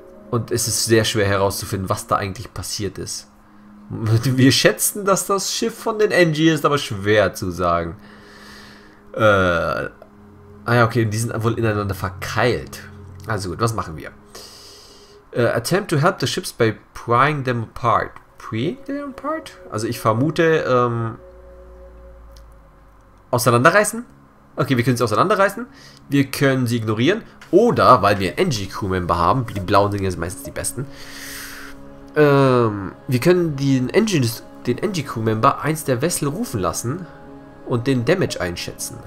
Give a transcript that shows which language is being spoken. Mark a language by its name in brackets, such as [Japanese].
[German] Und es ist sehr schwer herauszufinden, was da eigentlich passiert ist. Wir schätzen, dass das Schiff von den NG ist, aber schwer zu sagen. Okay, die sind wohl ineinander verkeilt. Also gut, was machen wir? [English] Attempt to help the ships by prying them apart. Prying them apart? [German] Also ich vermute, auseinanderreißen? Okay, wir können sie auseinanderreißen. Wir können sie ignorieren. Oder, weil wir ein NG-Crew-Member haben, die blauen Dinge sind meistens die besten, wir können den NG-Crew-Member eins der Wessel rufen lassen und den Damage einschätzen.